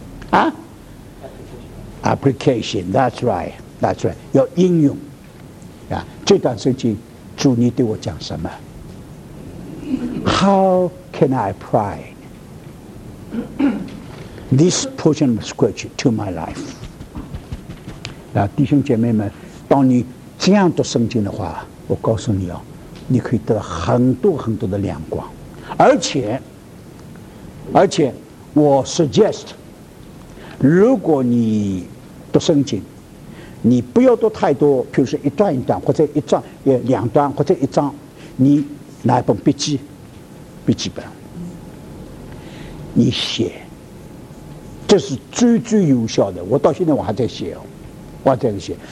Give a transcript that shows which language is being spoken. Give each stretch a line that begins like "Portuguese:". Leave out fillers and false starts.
Chinese: 啊 ，application，
English: that's right，
Chinese: 要应用啊。这段圣经，主你对我讲什么？
English: How can I apply this portion of scripture to my life？
Chinese: 那弟兄姐妹们，当你这样读圣经的话，我告诉你哦，你可以得到很多很多的亮光。而且，我 suggest， 如果你读圣经，你不要读太多，比如说一段一段，或者一章也两段，或者一章，你拿一本笔记本，你写，这是最有效的。我到现在我还在写哦，我还在写。